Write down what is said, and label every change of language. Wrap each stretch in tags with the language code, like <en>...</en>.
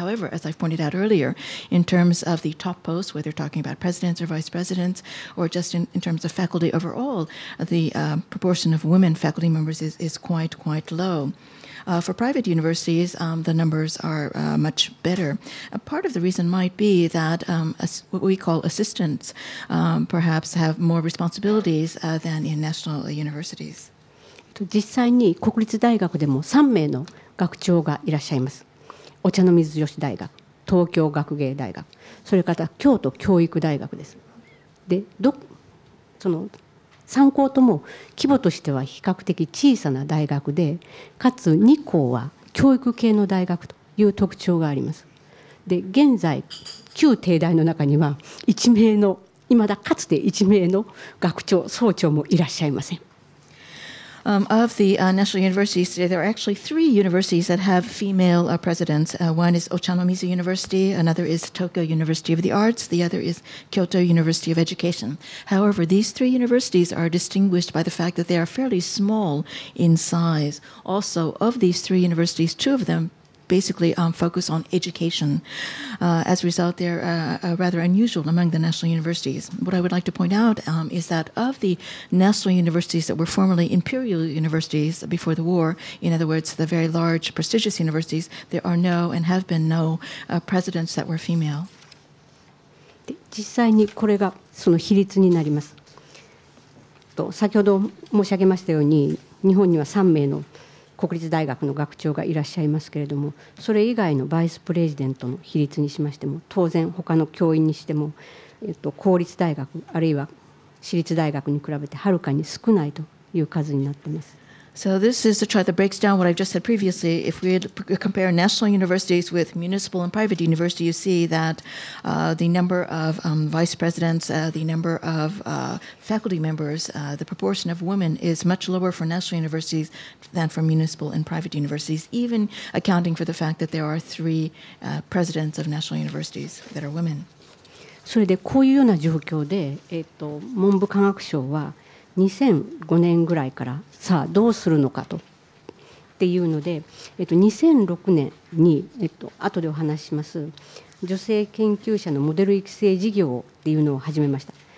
<en>However, as I've pointed out earlier, in terms of the top posts, whether talking about presidents or vice presidents, or just in terms of faculty overall, the proportion of women faculty members is quite low. For private universities, the numbers are much better. Part of the reason might be that what we call assistants perhaps have more responsibilities than in national universities.</en> <ja>実際に国立大学でも3名の学長がいらっしゃいます。お茶の水女子大学、東京学芸大学、それから京都教育大学です。で、その3校とも規模としては比較的小さな大学で、かつ2校は教育系の大学という特徴があります。で、現在旧帝大の中には1名の、いまだかつて1名の学長、総長もいらっしゃいません。</ja> <en>Of the national universities today, there are actually three universities that have female presidents. One is Ochanomizu University, another is Tokyo University of the Arts, the other is Kyoto University of Education. However, these three universities are distinguished by the fact that they are fairly small in size. Also, of these three universities, two of them basically focus on education. As a result, they're rather unusual among the national universities. What I would like to point out is that of the national universities that were formerly imperial universities before the war, in other words, the very large, prestigious universities, there are no and have been no presidents that were female.</en> <ja>実際にこれがその比率になります。と先ほど申し上げましたように、日本には3名の国立大学の学長がいらっしゃいますけれども、それ以外のバイスプレジデントの比率にしましても、当然他の教員にしても、公立大学あるいは私立大学に比べてはるかに少ないという数になっています。</ja> <en>So this is the chart that breaks down what I've just said previously. If we compare national universities with municipal and private university, you see that the number of vice presidents, the number of faculty members, the proportion of women is much lower for national universities than for municipal and private universities, even accounting for the fact that there are three presidents of national universities that are women.</en> <ja>それでこういうような状況で、文部科学省は2005年ぐらいからさあどうするのかとっていうので、2006年に、後でお話しします女性研究者のモデル育成事業っていうのを始めました。</ja>